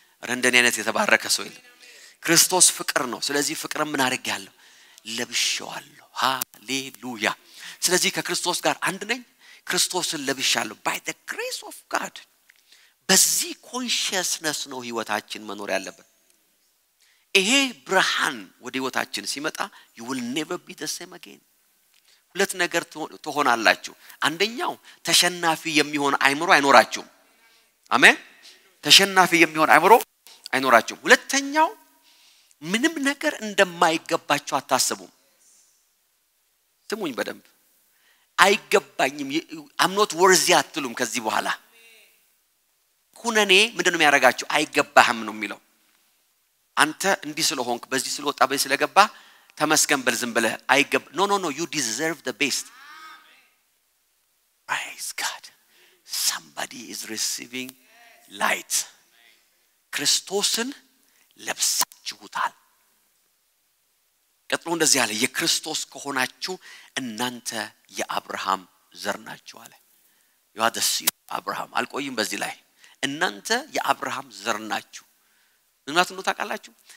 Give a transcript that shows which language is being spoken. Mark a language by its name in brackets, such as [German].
[Amharic] ረንደኔ አይነት የተባረከ ሰው ይል. ክርስቶስ ፍቅር ነው. ስለዚህ ፍቅርን ምን አርጋለሁ? ለብሻለሁ. Hallelujah. ስለዚህ ከክርስቶስ ጋር አንድ ነኝ. ክርስቶስን ለብሻለሁ. [English] by the grace of God. [Amharic] በዚህ consciousness ነው ህይወታችን መኖር ያለበት. ይሄ ብርሃን ወደ ህይወታችን ሲመጣ [English] you will never be the same again. [Amharic] ሁለት ነገር ተሆናላችሁ። አንደኛው ተሸናፊ የሚሆን አይምሮ አይኖራችሁ። አሜን። ተሸናፊ የሚሆን አይምሮ አይኖራችሁ። ሁለተኛው ምንም ነገር እንደማይገባችሁ አታስቡ። ስሙኝ በደንብ። አይገባኝም [English] I'm not worthy [Amharic] አትሉም ከዚህ በኋላ። ኩነኔ ምንድነው የሚያረጋችሁ? አይገባህም ነው የሚለው። አንተ እንዲህ ስለሆንክ በዚህ ስለወጣ በዚህ ስለገባ ተመስገን በል ዝም ብለህ አይገብ ኖ [English] you deserve the best. Praise God. Somebody is receiving light. [Amharic] ክርስቶስን ለብሳችሁታል። ቀጥሎ እንደዚህ አለ የክርስቶስ ከሆናችሁ እናንተ የአብርሃም ዘር ናችሁ አለ። [English] You are the seed of Abraham. [Amharic] አልቆይም በዚህ ላይ እናንተ የአብርሃም ዘር ናችሁ። ምናት ነው ታቃላችሁ?